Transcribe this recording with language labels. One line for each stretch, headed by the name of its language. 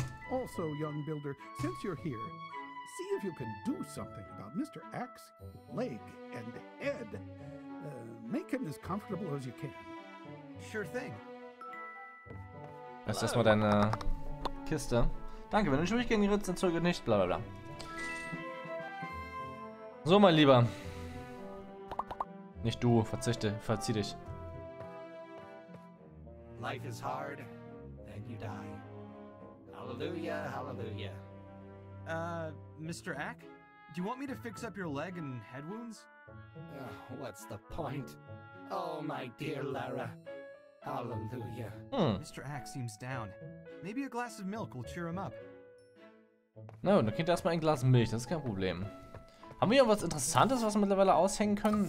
English: Also, young builder, since you're here, see if you can do something about Mr. Ack's leg and head. Make him as comfortable as you can. Sure thing.
German: Lass erstmal deine Kiste. Danke, wenn du nicht durchgehen gerätst, dann zögere nicht, bla bla bla. So, mein Lieber. Nicht du, verzieh dich.
English: Life is hard, then you die. Hallelujah, hallelujah. Mr. Ack? Do you want me to fix up your leg and head wounds? What's the point? Oh, my dear Lara. Hallelujah. Hm. Mr. Ack seems down. Maybe a glass of milk will cheer him up.
German: Na, no, dann kriegt er erstmal ein Glas Milch, das ist kein Problem. Haben wir hier was Interessantes, was wir mittlerweile aushängen können?